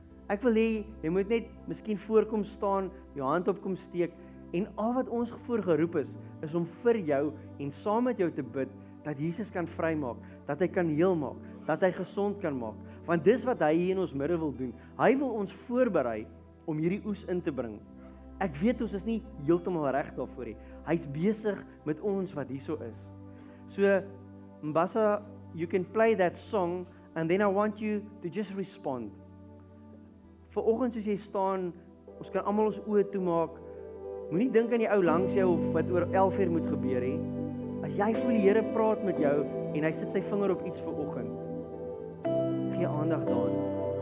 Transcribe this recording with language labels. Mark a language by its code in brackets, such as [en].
[af] Ek wil hê, jy moet net miskien voorkom staan, jou hand opkom steek, en al wat ons voorgeroep is, is om vir jou en saam met jou te bid, dat Jesus kan vrymaak, dat hy kan heelmaak, dat hy gesond kan maak. Want dis wat hy hier in ons midde wil doen. Hy wil ons voorberei om hierdie oes in te bring. Ek weet ons is nie heeltemal reg daarvoor nie. Hy's besig met ons wat hierso is. [en] So, Mbasa, you can play that song and then I want you to just respond. [af] Vanoggend as jy staan, ons kan almal ons oë toemaak. Moenie dink aan die ou langs jou of wat oor 11:00 moet gebeur hê. As jy voel die Here praat met jou en hy sit sy vinger op iets vanoggend, gee aandag daaraan.